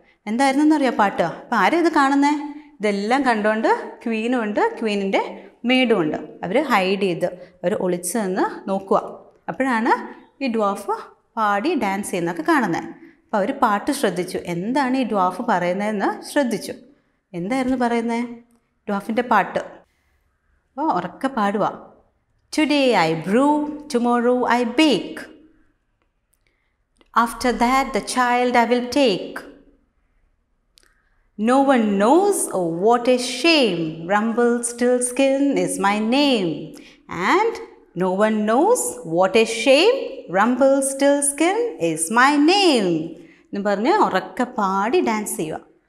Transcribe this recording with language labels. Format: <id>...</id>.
<ml>എന്തായിരുന്നു എന്നറിയാം പാട്ട്? അപ്പം ആരും ഇത് കാണുന്നേ, ഇതെല്ലാം കണ്ടുകൊണ്ട് ക്വീനും ഉണ്ട്, ക്വീനിൻ്റെ മെയ്ഡും ഉണ്ട്. അവർ ഹൈഡ് ചെയ്ത് അവർ ഒളിച്ച് നിന്ന് നോക്കുക. അപ്പോഴാണ് ഈ ഡ്വാഫ് പാടി ഡാൻസ് ചെയ്യുന്നതൊക്കെ കാണുന്നത്. അപ്പോൾ അവർ പാട്ട് ശ്രദ്ധിച്ചു, എന്താണ് ഈ ഡ്വാഫ് പറയുന്നതെന്ന് ശ്രദ്ധിച്ചു. എന്തായിരുന്നു പറയുന്നത്? ഡ്വാഫിൻ്റെ പാട്ട്. അപ്പോൾ ഉറക്കെ പാടുക,</ml> <en>Today I brew, tomorrow I bake. After that, the child I will take. No one knows, oh, what a shame. Rumpelstiltskin is my name. And no one knows, what a shame. Rumpelstiltskin is my name.</en> <ml>എന്ന് പറഞ്ഞ് ഉറക്കെ പാടി dance ചെയ്യുക.</ml>